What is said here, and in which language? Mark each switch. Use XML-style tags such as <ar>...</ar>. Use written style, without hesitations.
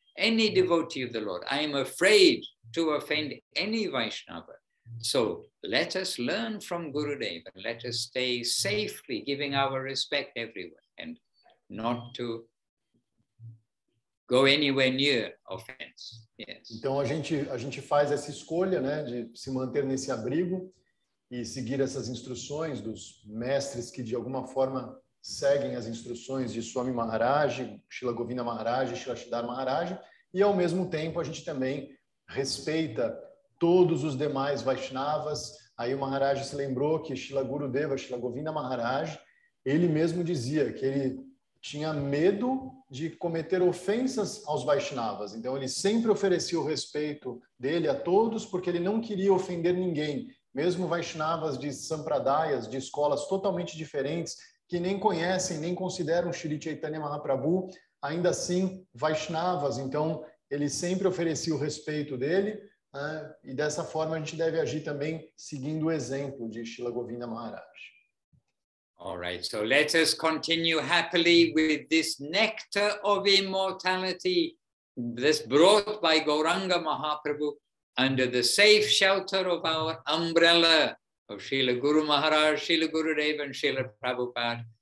<en>Any devotee of the Lord, I am afraid to offend any Vaishnava. So let us learn from Gurudev and let us stay safely giving our respect everywhere and not to go anywhere near offense. Yes.</en> <pt>Então a gente faz essa escolha, né, de se manter nesse abrigo e seguir essas instruções dos mestres que de alguma forma seguem as instruções de Swami Maharaj, Srila Govinda Maharaj, Srila Sridhar Maharaj, e ao mesmo tempo a gente também respeita todos os demais Vaishnavas. Aí o Maharaj se lembrou que Srila Gurudeva, Srila Govinda Maharaj, ele mesmo dizia que ele tinha medo de cometer ofensas aos Vaishnavas. Então ele sempre oferecia o respeito dele a todos, porque ele não queria ofender ninguém, mesmo Vaishnavas de Sampradayas, de escolas totalmente diferentes, que nem conhecem, nem consideram Sri Chaitanya Mahaprabhu, ainda assim Vaishnavas. Então ele sempre oferecia o respeito dele. E dessa forma a gente deve agir também seguindo o exemplo de Srila Govinda Maharaj.</pt> <en>All right, so let us continue happily with this nectar of immortality that's brought by Gauranga Mahaprabhu under the safe shelter of our umbrella of Srila Guru Maharaj, Srila Gurudev, and Srila Prabhupada.</en>